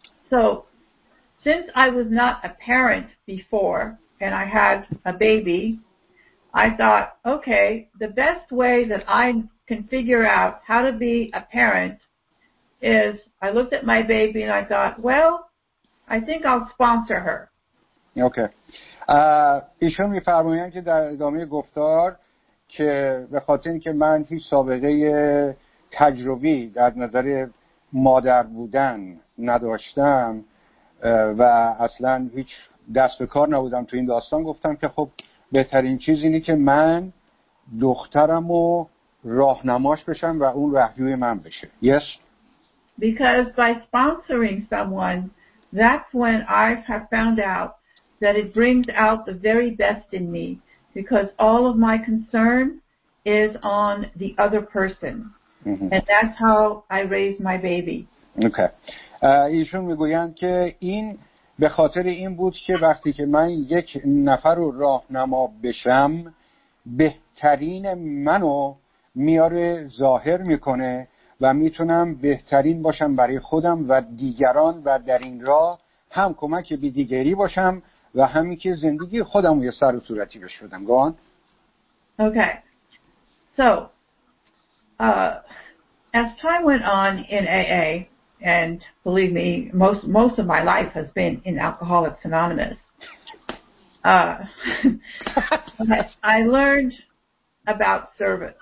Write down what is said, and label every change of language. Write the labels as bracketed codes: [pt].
[en] So since I was not a parent before and I had a baby, I thought, okay, the best way that I can figure out how to be a parent is I looked at my baby and I thought, well, I think I'll sponsor her. Okay. [fa] ایشون می‌فرمایند که در ادامه گفتار که به خاطر این که من هیچ سابقه تجربی در نظر مادر بودن نداشتم و اصلا هیچ دست به کار نبودم تو این داستان گفتم که خب بهترین چیز اینه که من دخترم رو راهنماش بشم و اون راهجوی من بشه. [en] Yes? Because by sponsoring someone, that's when I have found out that it brings out the very best in me. Because all of my concern is on the other person. Mm-hmm. And that's how I raise my baby. Okay. [fa] ایشون میگویند که این به خاطر این بود که وقتی که من یک نفر رو راهنما بشم بهترین منو میاره ظاهر میکنه و میتونم بهترین باشم برای خودم و دیگران و در این راه هم کمک به دیگری باشم و همین که زندگی خودم یه سر و صورتی بشودم. [en] Go on. Okay. So, as time went on in AA, and believe me, most of my life has been in Alcoholics Anonymous, I learned about service.